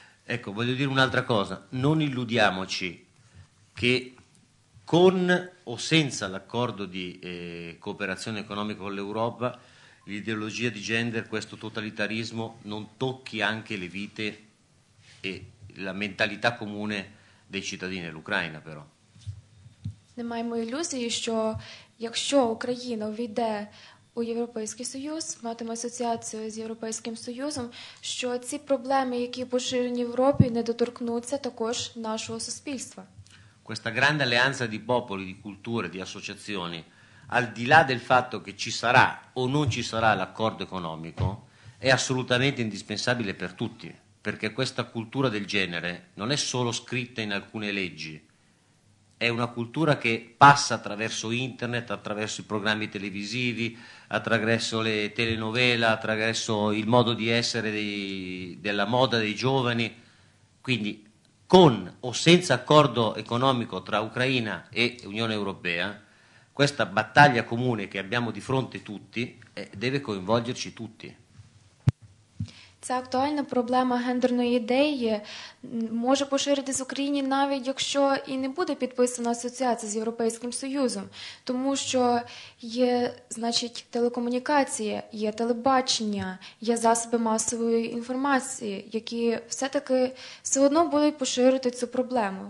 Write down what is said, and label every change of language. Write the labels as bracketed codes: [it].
[it] Ecco, voglio dire un'altra cosa. Non illudiamoci che con o senza l'accordo di cooperazione economica con l'Europa l'ideologia di gender, questo totalitarismo, non tocchi anche le vite e la mentalità comune dei cittadini dell'Ucraina, però. [uk] Не маємо ілюзії, що якщо Україна увійде у Європейський Союз, матиме асоціацію з Європейським Союзом, що ці проблеми, які поширені в Європі, не доторкнуться також нашого суспільства. [it] Questa grande alleanza di popoli, di culture, di associazioni, al di là del fatto che ci sarà o non ci sarà l'accordo economico, è assolutamente indispensabile per tutti, perché questa cultura del genere non è solo scritta in alcune leggi, è una cultura che passa attraverso internet, attraverso i programmi televisivi, attraverso le telenovela, attraverso il modo di essere della moda dei giovani. Quindi con o senza accordo economico tra Ucraina e Unione Europea, questa battaglia comune che abbiamo di fronte tutti deve coinvolgerci tutti. [uk] Ця актуальна проблема гендерної ідеї може поширитись в Україні, навіть якщо і не буде підписана асоціація з Європейським Союзом, тому що є, значить, телекомунікації, є телебачення, є засоби масової інформації, які все-таки все одно будуть поширити цю проблему.